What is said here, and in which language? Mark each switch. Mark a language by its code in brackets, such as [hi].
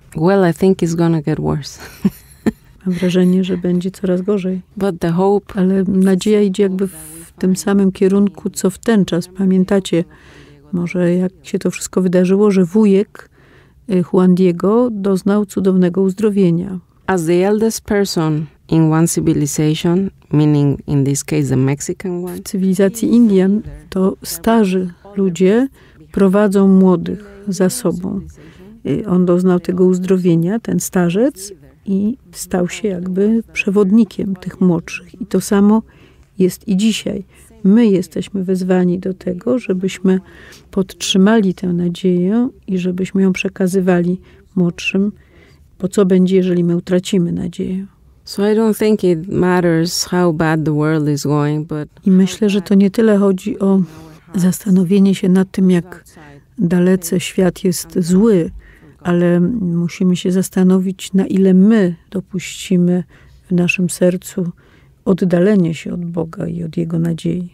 [en] Well, I think it's gonna get worse. [pl] Mam wrażenie, że będzie coraz gorzej. [en] But the hope. [pl] Ale nadzieja idzie jakby w tym samym kierunku, co w ten czas. Pamiętacie może, jak się to wszystko wydarzyło, że wujek Juan Diego doznał cudownego uzdrowienia. [en] As the eldest person in one civilization, meaning in this case the Mexican one. [pl] W cywilizacji Indian to starzy ludzie prowadzą młodych za sobą. On doznał tego uzdrowienia, ten starzec, i stał się jakby przewodnikiem tych młodszych. I to samo jest i dzisiaj. My jesteśmy wezwani do tego, żebyśmy podtrzymali tę nadzieję i żebyśmy ją przekazywali młodszym. Bo co będzie, jeżeli my utracimy nadzieję? [en] So I don't think it matters how bad the world is going, but [pl] i myślę, że to nie tyle chodzi o zastanowienie się nad tym, jak dalece świat jest zły, ale musimy się zastanowić, na ile my dopuścimy w naszym sercu oddalenie się od Boga i od Jego nadziei.